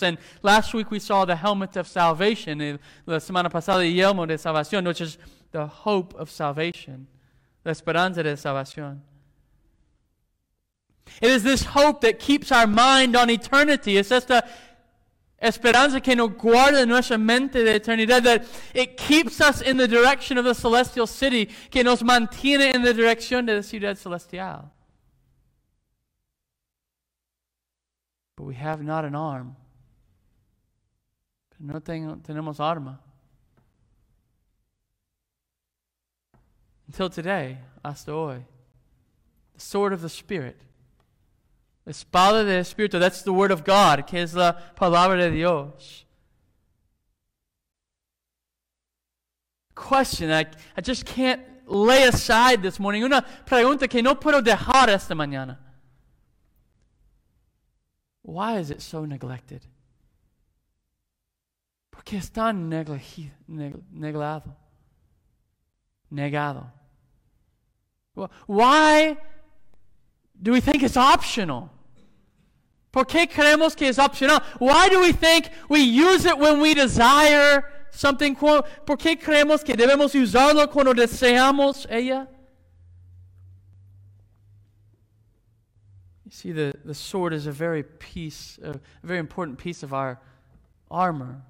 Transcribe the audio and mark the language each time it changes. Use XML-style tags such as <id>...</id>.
<en>And last week we saw the helmet of salvation.</en> <es>La semana pasada, el yelmo de salvación,</es> <en>which is the hope of salvation.</en> <es>La esperanza de salvación.</es> <en>It is this hope that keeps our mind on eternity.</en> <es>Es esta esperanza que nos guarda nuestra mente de eternidad.</es> <en>That it keeps us in the direction of the celestial city.</en> <es>Que nos mantiene en la dirección de la ciudad celestial.</es> <en>But we have not an arm.</en> <es>No tenemos arma.</es> <en>Until today,</en> <es>hasta hoy.</es> <en>The sword of the Spirit.</en> <es>La espada del Espíritu.</es> <en>That's the word of God,</en> <es>que es la palabra de Dios.</es> <en>Question, I just can't lay aside this morning.</en> <es>Una pregunta que no puedo dejar esta mañana.</es> <en>Why is it so neglected?</en> <es>¿Por qué es tan negado?</es> <en>Why do we think it's optional?</en> <es>¿Por qué creemos que es optional?</es> <en>Why do we think we use it when we desire something?</en> <es>¿Por qué creemos que debemos usarlo cuando deseamos ella?</es> <en>See, the sword is a very important piece of our armor.</en>